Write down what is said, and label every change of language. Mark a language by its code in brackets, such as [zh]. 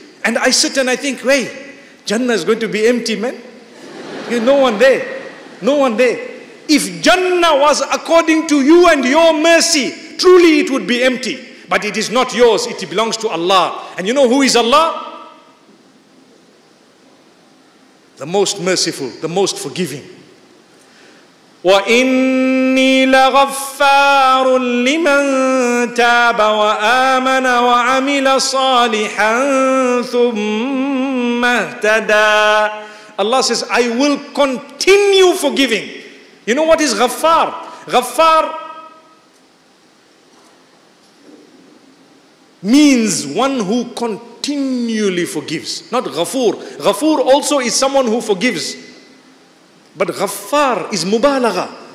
[en] And I sit and I think, wait, Jannah is going to be empty, man. There's no one there. No one there. If Jannah was according to you and your mercy, truly it would be empty. But it is not yours. It belongs to Allah. And you know who is Allah? The most merciful, the most forgiving. [ar] وإني لغفار لمن تاب وآمن وعمل صالحا ثم اهتدى. [en] Allah says, I will continue forgiving. You know what is ghaffar? Ghaffar means one who continually forgives. Not ghafoor. Ghafoor also is someone who forgives. But ghaffar is mubalagha.